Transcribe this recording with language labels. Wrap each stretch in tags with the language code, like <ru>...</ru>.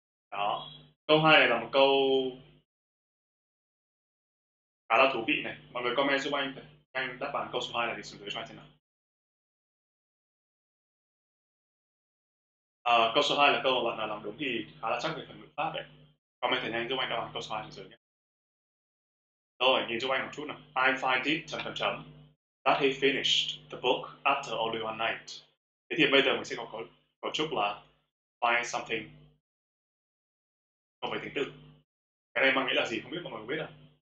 <vi>Đó. Câu hai này là một câu khá là thú vị này. Mọi người comment giúp anh đáp án câu số 2 này thì xuống dưới cho anh xem nào. Câu số 2 là câu mà bạn nào làm đúng thì khá là chắc về phần ngữ pháp đấy. Comment thật nhanh giúp anh đáp án câu số 2 xuống dưới nhé. Rồi, nhìn giúp anh một chút nào.</vi> <en>I find it</en> <vi>chấm chấm chấm</vi> <en>that he finished the book after only one night.</en> <vi>Thế thì bây giờ mình sẽ có cấu trúc là</vi> <en>find something</en> <vi>cộng với tính từ. Cái này mang nghĩa là gì không biết mọi người có biết không?</vi>